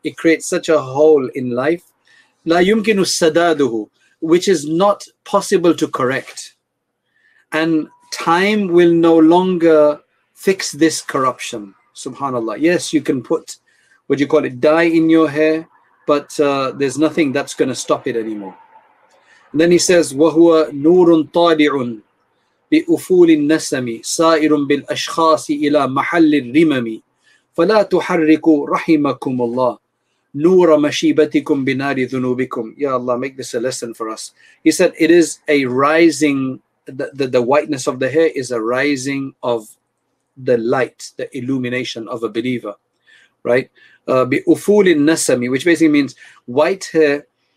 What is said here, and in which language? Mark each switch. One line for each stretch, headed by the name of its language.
English: It creates such a hole in life.
Arabic: لا يمكن السداده,
English: which is not possible to correct. And time will no longer fix this corruption. Subhanallah. Yes, you can put, what do you call it, dye in your hair, but there's nothing that's going to stop it anymore. And then he says,
Arabic: وَهُوَ نُورٌ طَالِعٌ بِأُفُولِ النَّسَمِ سَائِرٌ بِالْأَشْخَاصِ إِلَى مَحَلِّ الرِّمَمِ فَلَا تُحَرِّكُوا رَحِمَكُمُ اللَّهِ نُورَ مَشِيبَتِكُمْ بِنَارِ ذُنُوبِكُمْ.
English: Ya Allah, make this a lesson for us. He said, it is a rising, the whiteness of the hair is a rising of the light, the illumination of a believer, right?
Arabic: بِأُفُولِ النَّسَمِ,
English: which basically means white hair.